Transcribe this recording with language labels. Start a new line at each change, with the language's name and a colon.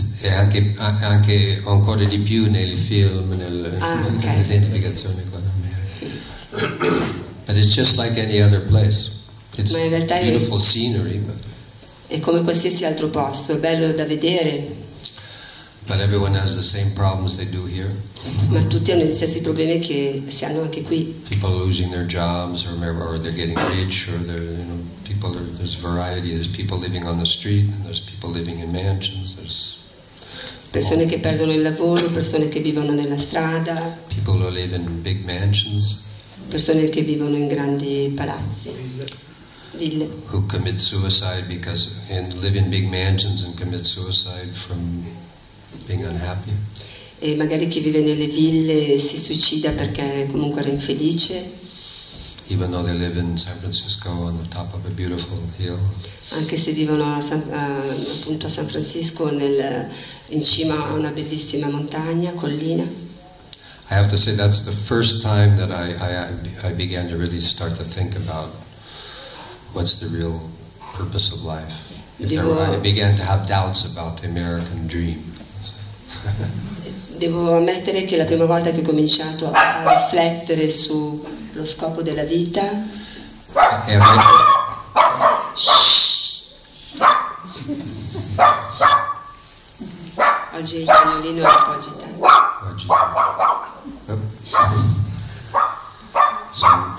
Italian: Anche ancora di più nei film, nell'identificazione con l'America.
English: But it's just like any other place. It's beautiful scenery, but.
Italian: È come qualsiasi altro posto, è bello da vedere.
English: But everyone has the same problems they do here.
Italian: Ma tutti hanno gli stessi problemi che si hanno anche qui.
English: People losing their jobs, or they're getting rich, or they're, you know, people. There's variety. There's people living on the street, and there's people living in mansions. There's
Italian: persone che perdono il lavoro, persone che vivono nella strada.
English: People who live in big mansions.
Italian: Persone che vivono in grandi palazzi, ville.
English: Who commit suicide because and live in big mansions and commit suicide from being unhappy.
Italian: E magari chi vive nelle ville si suicida perché comunque era infelice.
English: Even though they live in San Francisco on the top of a beautiful hill.
Italian: Anche se vivono appunto a San Francisco in cima a una bellissima montagna, collina.
English: I have to say that's the first time that I began to really start to think about what's the real purpose of life. I began to have doubts about the American dream.
Italian: Devo ammettere che la prima volta che ho cominciato a riflettere sullo scopo della vita. Oggi il cagnolino è un po' agitato.